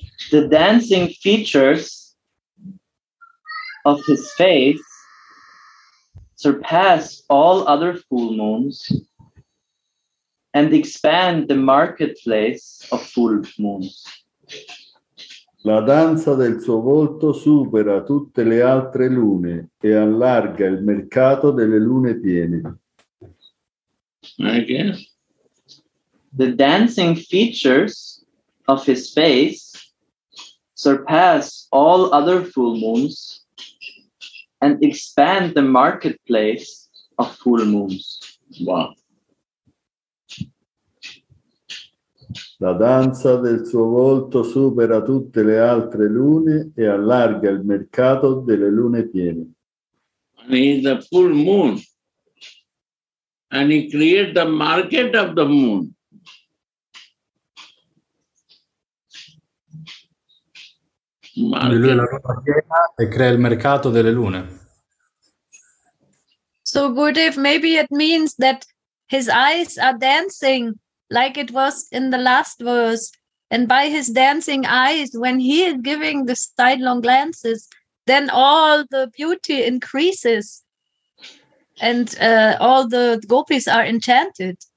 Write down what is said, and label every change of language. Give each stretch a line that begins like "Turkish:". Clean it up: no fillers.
English: The dancing features of his face surpass all other full moons and expand the marketplace of full moons.
Italian: La danza del suo volto supera tutte le altre lune e allarga il mercato delle lune piene.
English: Okay. The dancing features of his face surpass all other full moons and expand the marketplace of full moons. Wow.
Italian: La danza del suo volto supera tutte le altre lune e allarga il mercato delle lune piene.
English: And he is a full moon. And he creates the market of the moon. Market.
Italian: Lui è la luna piena e crea il mercato delle lune.
English: So Gurudev, maybe it means that his eyes are dancing. Like it was in the last verse, and by his dancing eyes, when he is giving the sidelong glances, then all the beauty increases, and all the gopis are enchanted.